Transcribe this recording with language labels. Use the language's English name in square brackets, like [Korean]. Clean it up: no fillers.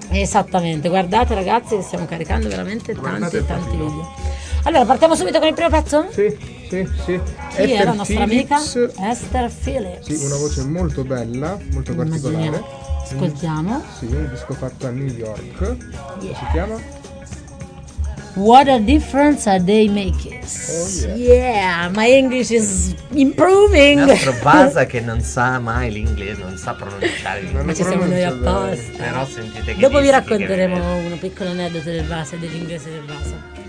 [Italian] Esattamente, guardate ragazzi, stiamo caricando veramente tanti video. Allora, partiamo subito con il primo pezzo? Sì. Chi Esther è la nostra Phillips. Amica? Esther Phillips. Sì, una voce molto bella, molto particolare. Ascoltiamo. Sì, un disco fatto a New York. Yeah. Si chiama? [English] What a difference a day makes. Oh, yeah. Yeah, my English is improving. [Italian] Il nostro Baza che non sa mai l'inglese, non sa pronunciare l'inglese. Ma ci siamo noi apposta. Però sentite che dopo vi racconteremo un piccolo aneddoto del Baza, dell'inglese del Baza.